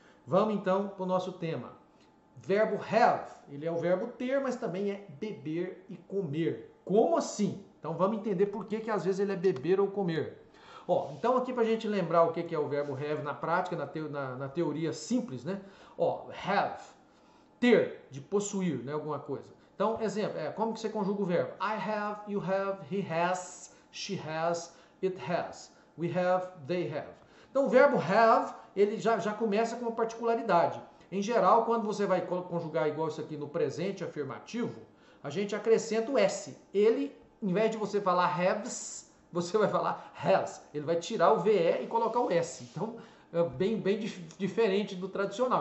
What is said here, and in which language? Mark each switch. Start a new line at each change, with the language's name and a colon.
Portuguese: Vamos então para o nosso tema. Verbo have, ele é o verbo ter, mas também é beber e comer. Como assim? Então, vamos entender por que que às vezes ele é beber ou comer. Ó, então aqui para a gente lembrar o que é o verbo have na prática, na teoria simples, né? Ó, have, ter, de possuir, né, alguma coisa. Então, exemplo, como que você conjuga o verbo?
English: I have, you have, he has, she has, it has, we have, they have.
Portuguese: Então, o verbo have, ele já começa com uma particularidade. Em geral, quando você vai conjugar igual isso aqui no presente afirmativo, a gente acrescenta o S. Ele, em vez de você falar haves, você vai falar has. Ele vai tirar o VE e colocar o S. Então, é bem diferente do tradicional.